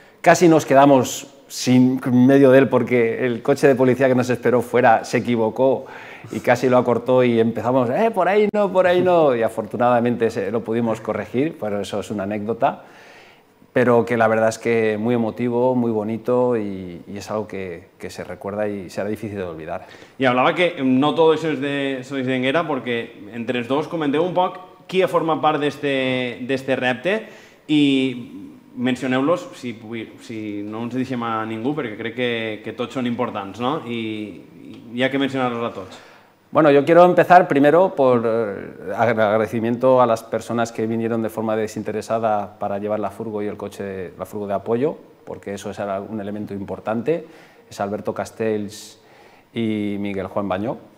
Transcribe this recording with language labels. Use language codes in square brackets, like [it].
[es] Casi nos quedamos sin medio de él porque el coche de policía que nos esperó fuera se equivocó y casi lo acortó y empezamos, por ahí no, y afortunadamente lo pudimos corregir, pero eso es una anécdota, pero que la verdad es que muy emotivo, muy bonito y es algo que se recuerda y será difícil de olvidar. Y hablaba que no todo eso es de Enguera porque entre los dos comenté un poco quién forma parte de este repte y... [ca] mencioneu-los si no ens deixem a ningú, perquè crec que tots són importants, no? I ha que mencionar-los a tots. [es] Bueno, yo quiero empezar primero por agradecimiento a las personas que vinieron de forma desinteresada para llevar la furgo y el coche, la furgo de apoyo, porque eso es un elemento importante. Es Alberto Castells y Miguel Juan Bañó.